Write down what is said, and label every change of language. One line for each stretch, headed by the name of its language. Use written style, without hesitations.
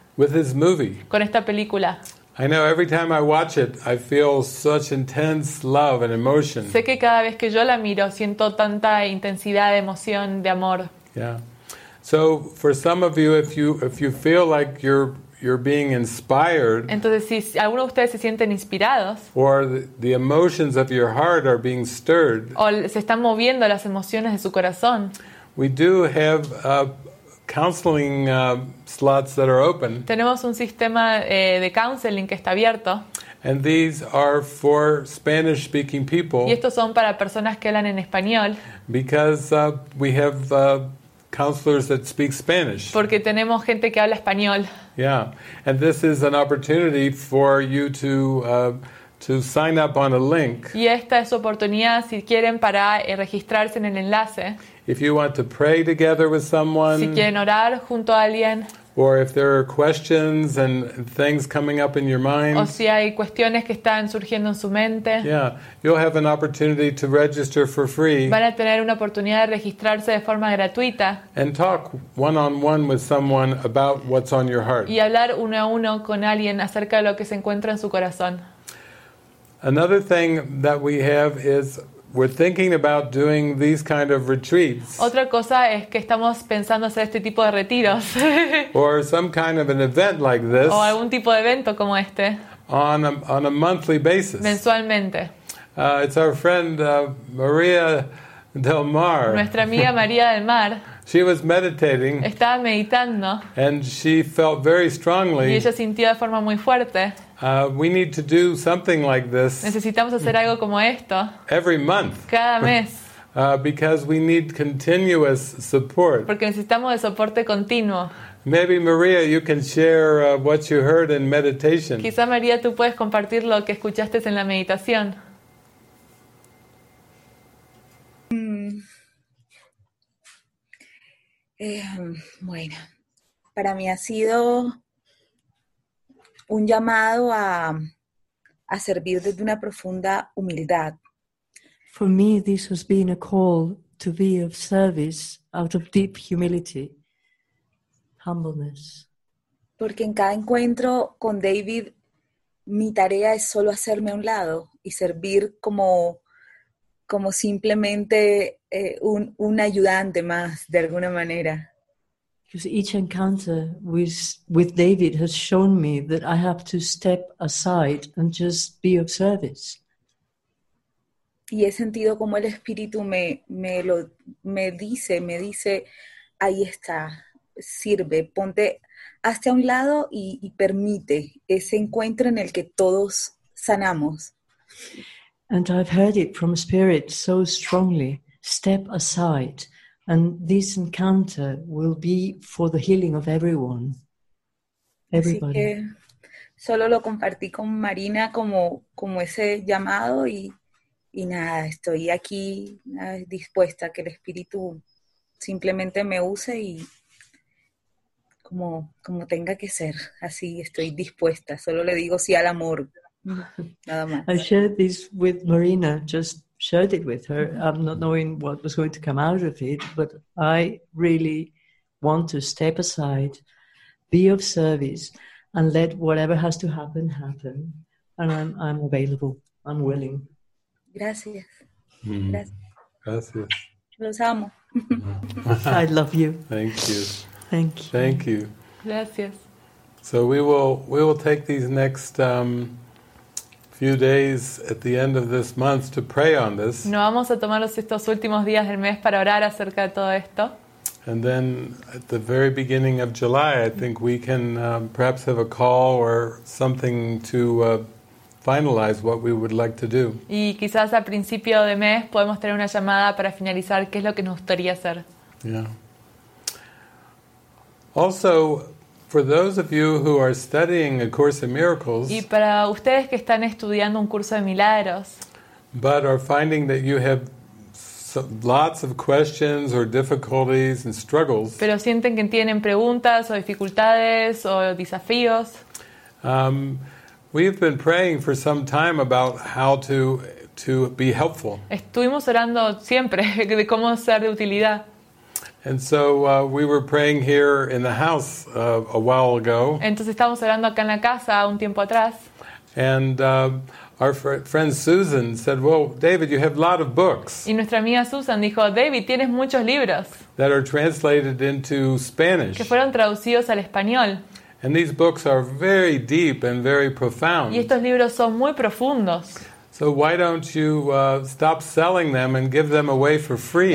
English: With this movie.
Spanish: Con esta película.
English: I know every time I watch it, I feel such intense love and emotion.
Spanish: Sé que cada vez que yo la miro siento tanta intensidad de emoción de amor.
English: Yeah. So for some of you, if you feel like you're being inspired.
Spanish: Entonces, si alguno de ustedes se sienten inspirados.
English: Or the emotions of your heart are being stirred.
Spanish: O se están moviendo las emociones de su corazón.
English: We do have counseling slots that are open.
Spanish: Tenemos un sistema de counseling que está abierto.
English: And these are for Spanish-speaking people.
Spanish: Y estos son para personas que hablan en español.
English: Because we have counselors that speak Spanish.
Spanish: Porque tenemos gente que habla español.
English: Yeah, and this is an opportunity for you to sign up on a link.
Spanish: Y esta es su oportunidad si quieren para registrarse en el enlace.
English: If you want to pray together with someone.
Spanish: Si quieren orar junto a alguien.
English: Or if there are questions and things coming up in your mind.
Spanish: O si hay cuestiones que están surgiendo en su mente.
English: Yeah, you'll have an opportunity to register for free.
Spanish: Van a tener una oportunidad de registrarse de forma gratuita.
English: And talk one-on-one with someone about what's on your heart.
Spanish: Y hablar uno a uno con alguien acerca de lo que se encuentra en su corazón.
English: Another thing that we have is We're thinking about doing these kind of retreats.
Spanish: Otra cosa es que estamos pensando hacer este tipo de retiros.
English: Or some kind of an event like this.
Spanish: O algún tipo de evento como este.
English: On a monthly basis.
Spanish: Mensualmente.
English: It's our friend Maria del Mar.
Spanish: Nuestra amiga María del Mar.
English: She was meditating.
Spanish: Estaba meditando.
English: And she felt very strongly.
Spanish: Y ella sintió de forma muy fuerte.
English: We need to do something like this.
Spanish: Necesitamos hacer algo como esto.
English: Every month.
Spanish: Cada mes.
English: Because we need continuous support.
Spanish: Porque necesitamos de soporte continuo.
English: Maybe Maria, you can share what you heard in meditation.
Spanish: Quizá María, tú puedes compartir lo que escuchaste en la meditación. Bueno, para mí ha sido un llamado a servir desde una profunda humildad.
English: For me, this has been a call to be of service out of deep humility, humbleness.
Spanish: Porque en cada encuentro con David, mi tarea es solo hacerme a un lado y servir como simplemente un ayudante más, de alguna manera.
English: Because each encounter with David has shown me that I have to step aside and just be of service.
Spanish: Y he sentido como el Espíritu me dice, ahí está, sirve, ponte hasta a un lado y permite ese encuentro en el que todos sanamos.
English: And I've heard it from Spirit so strongly, step aside. And this encounter will be for the healing of everyone. Everybody.
Spanish: Solo lo compartí con Marina como ese llamado y nada, estoy aquí dispuesta a que el Espíritu simplemente me use y como tenga que ser. Así estoy dispuesta. Solo le digo sí al amor. Nada más.
English: I shared this with Marina just shared it with her, not knowing what was going to come out of it, but I really want to step aside, be of service, and let whatever has to happen, happen. And I'm available, I'm willing.
Spanish: Gracias. Gracias. Los amo.
English: I love you. Thank you. Thank you. Thank you.
Spanish: Gracias.
English: So we will take these next few days at the end of this month to pray on this.
Spanish: No vamos a tomar estos últimos días del mes para orar acerca de todo esto.
English: And then at the very beginning of July, I think we can perhaps have a call or something to finalize what we would like to do.
Spanish: Y quizás a principio de mes podemos tener una llamada para finalizar qué es lo que nos gustaría hacer.
English: Yeah. Also, for those of you who are studying A Course in Miracles,
Spanish: y para ustedes que están estudiando un curso de milagros,
English: but are finding that you have lots of questions or difficulties and struggles,
Spanish: pero sienten que tienen preguntas o dificultades o desafíos,
English: we've been praying for some time about how to be helpful.
Spanish: Estuvimos orando siempre de cómo ser de utilidad.
English: And so we were praying here in the house a while ago.
Spanish: Entonces estábamos orando acá en la casa un tiempo atrás.
English: And our friend Susan said, "Well, David, you have a lot of books."
Spanish: Y nuestra amiga Susan dijo, "David, tienes muchos libros."
English: That are translated into Spanish.
Spanish: Que fueron traducidos al español.
English: And these books are very deep and very profound.
Spanish: Y estos libros son muy profundos.
English: So why don't you stop selling them and give them away for free?